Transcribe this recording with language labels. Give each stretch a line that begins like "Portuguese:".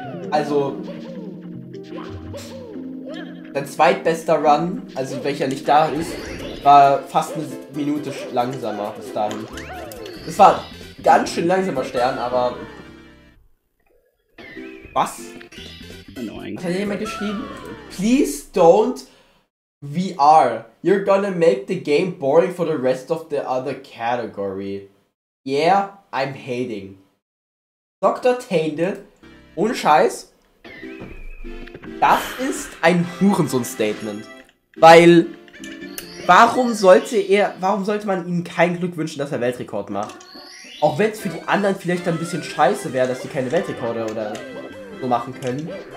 German: Also sein zweitbester Run, also welcher nicht da ist, war fast eine Minute langsamer bis dahin. Das war ganz schön langsamer Stern, aber was?
English: Annoying.
German: Hat jemand geschrieben?
English: Please don't VR, you're gonna make the game boring for the rest of the other category. Yeah, I'm hating. Dr.
German: Tainted, ohne Scheiß, das ist ein Hurensohn-Statement. Weil, warum sollte man ihm kein Glück wünschen, dass er Weltrekord macht? Auch wenn es für die anderen vielleicht ein bisschen scheiße wäre, dass sie keine Weltrekorde oder so machen können.